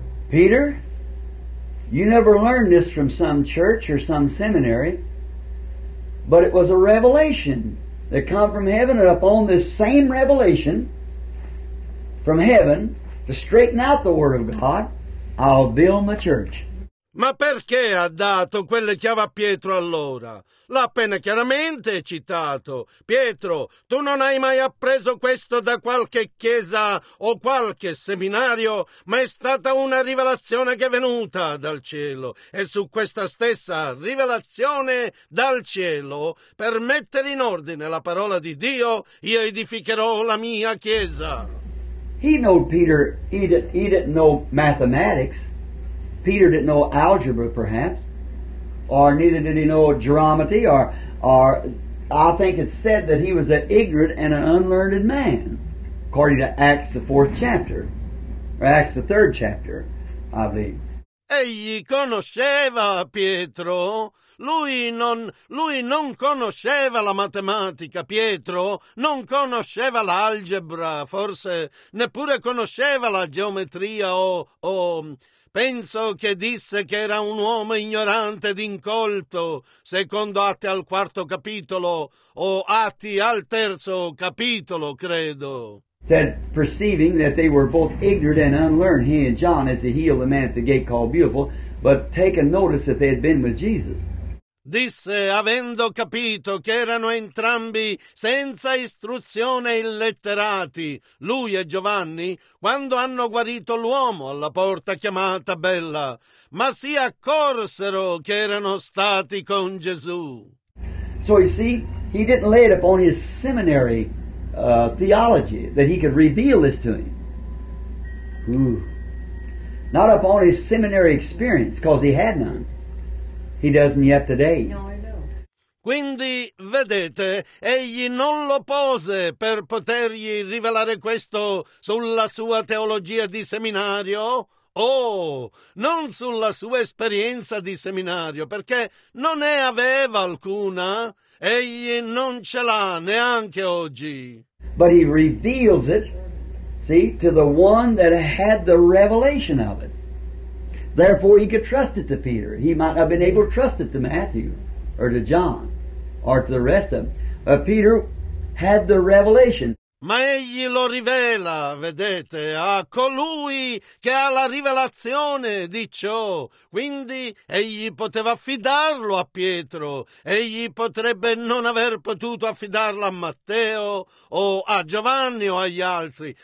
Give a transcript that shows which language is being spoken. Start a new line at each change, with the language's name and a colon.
English: Peter, you never learned this from some church or some seminary, but it was a revelation that come from heaven, and upon this same revelation from heaven to straighten out the word of God, I'll build my church.
Italian: Ma perché ha dato quelle chiavi a Pietro allora? L'ha appena chiaramente citato. Pietro, tu non hai mai appreso questo da qualche chiesa o qualche seminario, ma è stata una rivelazione che è venuta dal cielo. E su questa stessa rivelazione dal cielo, per mettere in ordine la parola di Dio, io edificherò la mia chiesa.
English: He knew Peter, he didn't know mathematics. Peter didn't know algebra, perhaps, or neither did he know geometry, or I think it's said that he was an ignorant and an unlearned man, according to Acts the 4th chapter, or Acts the 3rd chapter, I believe.
Italian: Egli conosceva Pietro. Lui non conosceva la matematica, Pietro. Non conosceva l'algebra, forse neppure conosceva la geometria o... Penso che disse che era un uomo ignorante ed incolto, secondo Atti al 4 capitolo, o Atti al 3 capitolo, credo.
English: Said, perceiving that they were both ignorant and unlearned, he and John, as he healed the man at the gate called Beautiful, but taken notice that they had been with Jesus.
Italian: Disse, avendo capito che erano entrambi senza istruzione illetterati, lui e Giovanni, quando hanno guarito l'uomo alla porta chiamata Bella, ma si accorsero che erano stati con Gesù.
English: So you see, he didn't lay it upon his seminary theology that he could reveal this to him. Ooh. Not upon his seminary experience, because he had none. He doesn't yet today. No, I know.
Italian: Quindi, vedete, egli non lo pose per potergli rivelare questo sulla sua teologia di seminario Oh, non sulla sua esperienza di seminario, perché non ne aveva alcuna. Egli non ce l'ha neanche oggi.
English: But he reveals it, see, to the one that had the revelation of it. Therefore, he could trust it to Peter. He might not have been able to trust it to Matthew or to John or to the rest of them. But Peter had the revelation.
Italian: Ma egli lo rivela, vedete, a colui che ha la rivelazione di ciò. Quindi egli poteva affidarlo a Pietro. Egli potrebbe non aver potuto affidarlo a Matteo o a Giovanni o agli altri.